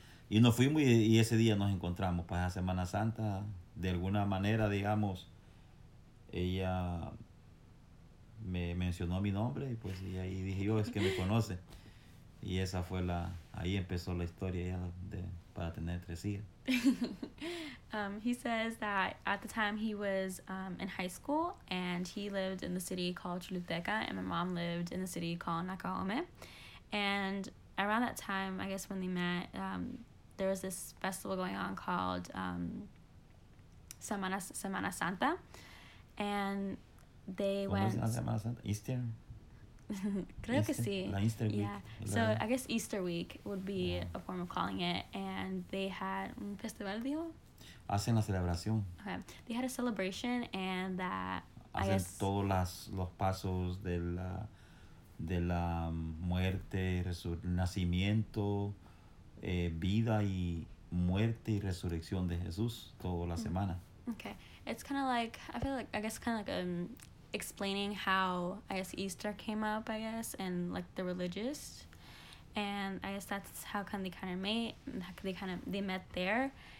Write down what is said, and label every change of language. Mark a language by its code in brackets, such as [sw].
[es] Y nos fuimos y ese día nos encontramos para la Semana Santa. De alguna manera, ella me mencionó mi nombre y ahí dije yo, es que me conoce. Y esa fue ahí empezó la historia ya para tener 3 hijas. [en] He says that at the time he was in high school and he lived in the city called Choluteca and my mom lived in the city called Nakaome. And around that time, I guess when they met, there was this festival going on called Semana Santa. And they went... Semana Santa? Easter? [es] Creo [en] Easter, [es] que sí. [en] La Easter week. Yeah. So I guess Easter week would be a form of calling it. And they had un festival, digo. [es] Hacen la celebración. [en] Okay. They had a celebration and that... [es] Hacen todos los pasos de la muerte, nacimiento, vida y muerte y resurrección de Jesús toda la semana. Okay. [en] It's kind of like, I feel like, I guess kind of like explaining how, I guess, Easter came up, I guess, and like the religious. And I guess that's how kind of they kind of met, they met there.